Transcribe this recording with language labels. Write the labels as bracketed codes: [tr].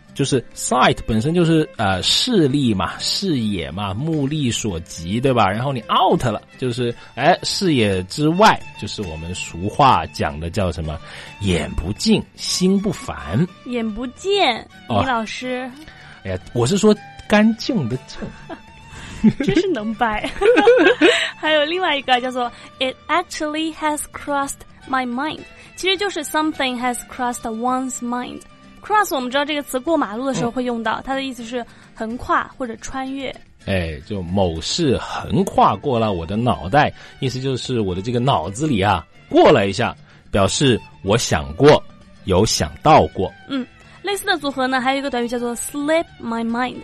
[zh] 就是 sight 本身就是视力嘛，视野嘛，目力所及对吧，然后你 out 了就是哎视野之外，就是我们俗话讲的叫什么，眼不净心不烦。眼不见李老师、哦、哎呀，我是说干净的净。真是能掰。还有另外一个叫做 [en] it actually has crossed my mind， [zh] 其实就是 [en] something has crossed one's mind。 [zh] cross 我们知道这个词过马路的时候会用到、它的意思是横跨或者穿越。哎，就某事横跨过了我的脑袋，意思就是我的这个脑子里啊过了一下，表示我想过，有想到过。嗯，类似的组合呢还有一个短语叫做 slip my mind。